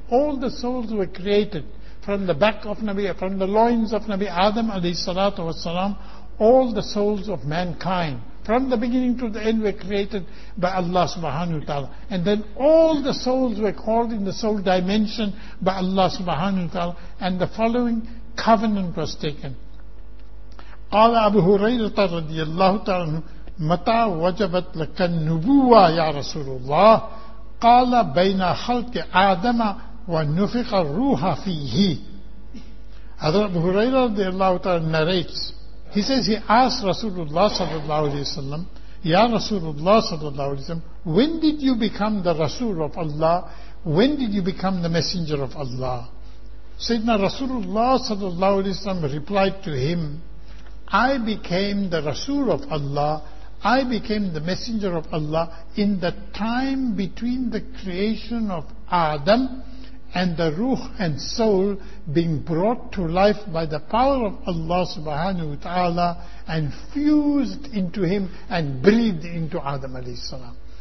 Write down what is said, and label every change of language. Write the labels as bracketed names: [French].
[English] All the souls were created from the back of Nabi, from the loins of Nabi Adam alayhi salatu wasalam, all the souls of mankind. from the beginning to the end were created by Allah subhanahu wa ta'ala. And then all the souls were called in the soul dimension by Allah subhanahu wa ta'ala. And the following covenant was taken. [Arabic] قال أبو هريرة رضي الله تعالى عنه متى وجبت لك النبوة يا رسول الله قال بين خلق آدم ونفق الروح فيه. [English] Hazrat Abu Huraira radiallahu ta'ala narrates, he says he asked Rasulullah sallallahu alayhi wa sallam, Ya Rasulullah sallallahu alayhi wa sallam, when did you become the Rasul of Allah? When did you become the Messenger of Allah? Sayyidina Rasulullah sallallahu alayhi wa sallam replied to him, I became the Rasul of Allah, I became the Messenger of Allah in the time between the creation of Adam and the ruh and soul being brought to life by the power of Allah subhanahu wa ta'ala and fused into him and breathed into Adam alayhi salam.